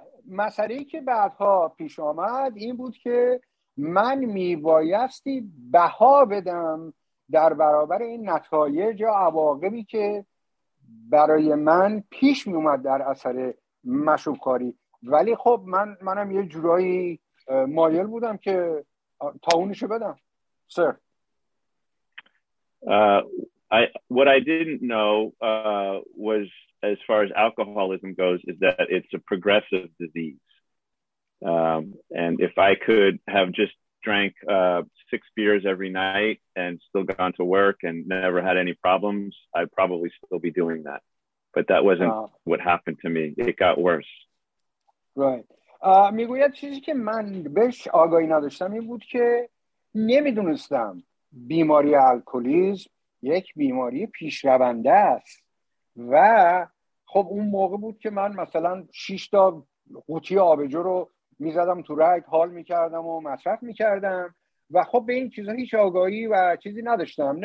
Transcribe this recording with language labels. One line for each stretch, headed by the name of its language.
Persian: مسئله ای که بعدها پیش آمد این بود که من میبایستی بها بدم در برابر این نتایج یا عواقبی که برای من پیش میومد در اثر مشروبکاری. ولی خب منم یه جورایی مایل بودم که تاونشو بدم. سر
English: What I didn't know was, as far as alcoholism goes, is that it's a progressive disease. And if I could have just drank six beers every night and still gone to work and never had any problems, I'd probably still be doing that. But that wasn't what happened to me. It got worse. Right.
Persian: میگوید چیزی که من بهش آگاهی نداشتم این بود که نمیدونستم بیماری الکلیسم یک بیماری پیشرونده است. و خب اون موقع بود که من مثلا 6 تا قوطی آبجو رو میزدم تو رگ، حال میکردم و مصرف میکردم و خب به این چیزا هیچ آگاهی و چیزی نداشتم.